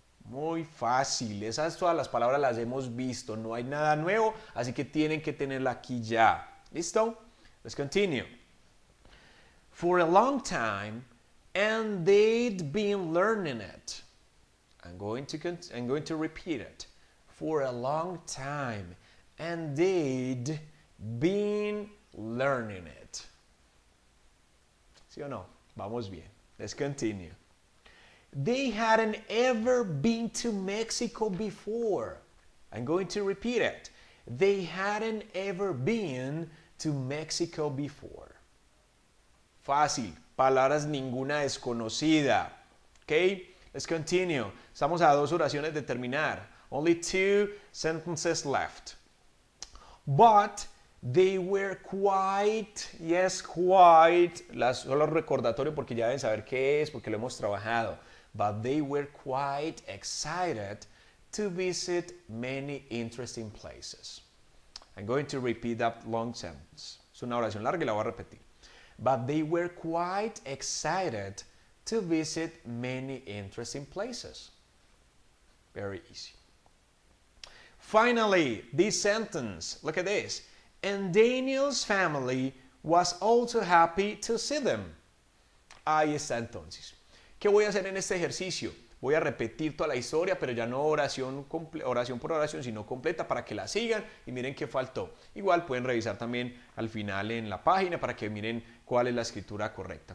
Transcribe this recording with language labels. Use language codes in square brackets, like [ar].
[es] Muy fácil, esas todas las palabras las hemos visto, no hay nada nuevo, así que tienen que tenerla aquí ya. ¿Listo? [en] Let's continue. For a long time, and they'd been learning it. I'm going to repeat it. For a long time, and they'd been learning it. [es] ¿Sí o no? Vamos bien. [en] Let's continue. They hadn't ever been to Mexico before. I'm going to repeat it. they hadn't ever been to Mexico before. [es] Fácil. Palabras ninguna desconocida. [en] Okay? Let's continue. [es] Estamos a dos oraciones de terminar. [en] Only two sentences left. But they were quite, [es] yes, quite, solo recordatorio porque ya deben saber qué es, porque lo hemos trabajado. [en] But they were quite excited to visit many interesting places. I'm going to repeat that long sentence. [es] Es una oración larga y la voy a repetir. [en] But they were quite excited to visit many interesting places. Very easy. Finally, this sentence, look at this. And Daniel's family was also happy to see them. [es] Ahí está entonces. ¿Qué voy a hacer en este ejercicio? Voy a repetir toda la historia, pero ya no oración por oración, sino completa para que la sigan y miren qué faltó. Igual pueden revisar también al final en la página para que miren cuál es la escritura correcta.